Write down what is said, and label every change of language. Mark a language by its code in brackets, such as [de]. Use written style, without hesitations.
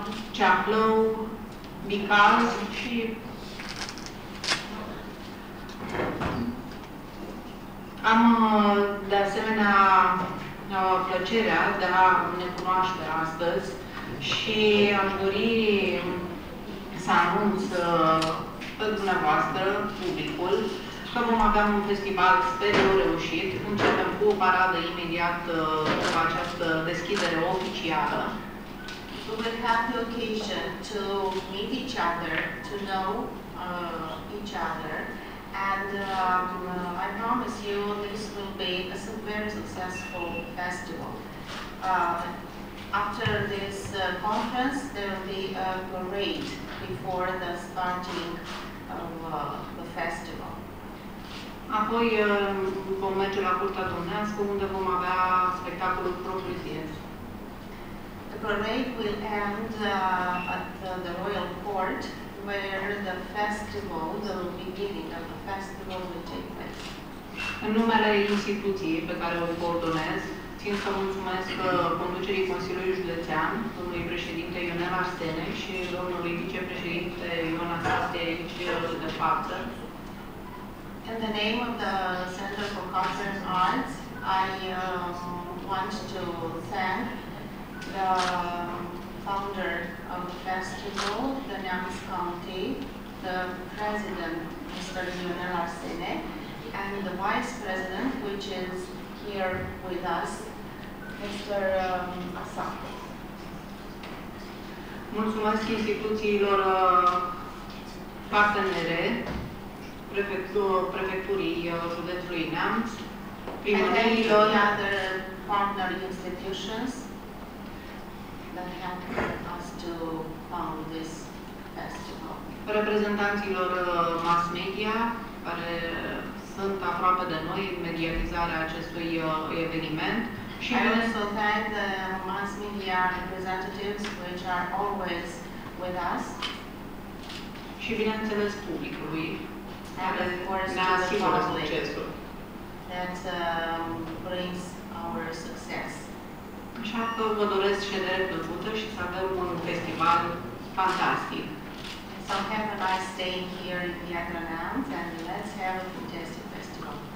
[ro] Ceahlăul, Bicaz și am de asemenea plăcerea de a ne cunoaște astăzi și aș dori să anunț pe dumneavoastră, publicul, că vom avea un festival, sper eu, reușit. Începem cu o paradă imediat după această deschidere oficială. [en] We will have the occasion to meet each other, to know each other. And I promise you, this will be a very successful festival. After this conference, there will be a parade before the starting of the festival. [ro] Am apoi vom merge la Curtea Domnească, unde vom avea spectacolul propriu-zis. [en] The parade will end at the Royal Court, where the festival, the beginning of the festival will take place. [ro] În numele instituției pe care o coordonez, țin să mulțumesc conducerii Consiliului Județean, domnului președinte Ionel Arsene și domnului vicepreședinte Ion Astate, aici de față. [en] In the name of the Center for Culture and Arts, I want to thank the founder of the festival, the Neamț County, the president, Mr. Ionel Arsene, and the vice president, which is here with us, Mr. Asaf. [ro] Mulțumesc instituțiilor partenere, prefecturii județului Neamț, primăriilor, [en] the other partner institutions that helped us to found this festival. [ro] Reprezentanților mass media care sunt aproape de noi în medializarea acestui eveniment. [en] Și I also thank the mass media representatives which are always with us. [ro] Și bineînțeles publicului. [en] And of course [ro] ne asigură succesul. [en] That brings our success. [ro] Așa că vă doresc ședere plăcută și să avem un festival fantastic. [en] So have a nice day here in Vietnam and let's have a fantastic festival.